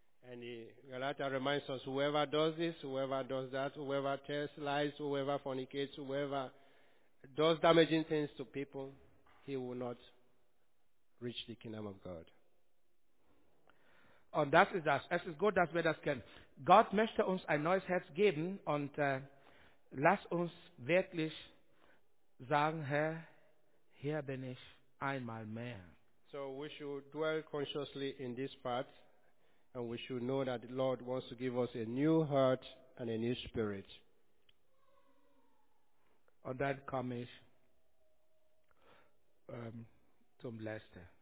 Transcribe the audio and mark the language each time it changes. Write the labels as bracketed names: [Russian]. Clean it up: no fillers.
[English] And the Galatia reminds us, whoever does this, whoever does that, whoever tells lies, whoever fornicates, whoever does damaging things to people, he will not reach the kingdom of God. [German] Und das ist das. Es ist gut, dass wir das kennen. Gott möchte uns ein neues Herz geben und lass uns wirklich sagen, Herr, hier bin ich einmal mehr. [English] So we should dwell consciously in this part and we should know that the Lord wants to give us a new heart and a new spirit. [German] Und dann komme ich zum letzten.